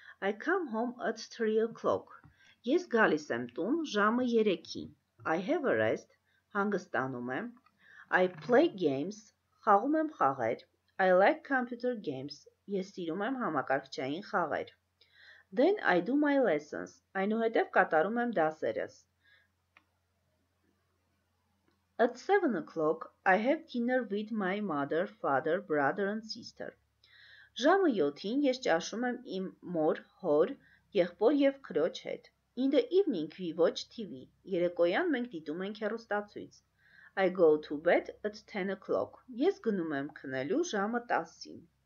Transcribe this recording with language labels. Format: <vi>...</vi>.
<en>I come home at 3 o'clock.</en> <hy>Ես գալիս եմ տուն ժամը 3-ին.</hy> <en>I have a rest.</en> <hy>Հանգստանում եմ.</hy> <en>I play games.</en> <hy>Խաղում եմ խաղեր.</hy> <en>I like computer games.</en> <hy>Ես սիրում եմ համակարգչային խաղեր.</hy> <en>Then I do my lessons.</en> <hy>Այնուհետև կատարում եմ դասերս.</hy> <en>At 7 o'clock, I have dinner with my mother, father, brother and sister.</en> <hy>Ժամը 7-ին ես ճաշում եմ իմ մոր, հոր, եղբոր և քրոջ հետ.</hy> <en>In the evening, we watch TV.</en> <hy>Երեկոյան մենք դիտում ենք հեռուստացույց.</hy> <en>I go to bed at 10 o'clock.</en> <hy>Ես գնում եմ քնելու ժամը 10-ին.</hy>